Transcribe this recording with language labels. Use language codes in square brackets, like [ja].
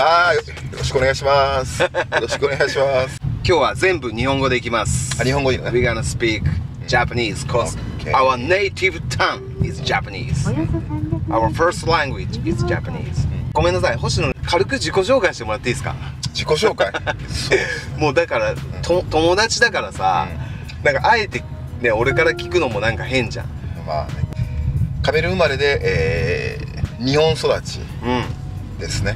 [ja] ああ、よろしくお願いします。よろしくお願いします。今日は全部日本語でいきます。あ、日本語いいね。 [en] We're gonna speak Japanese, cause okay. Our native tongue is Japanese. Our first language is Japanese. [ja] ごめんなさい、星野、軽く自己紹介してもらっていいですか？自己紹介そうもうだから、うん、友達だからさ、うん、なんかあえてね俺から聞くのもなんか変じゃん。まあね、カメルーン生まれで、日本育ちですね、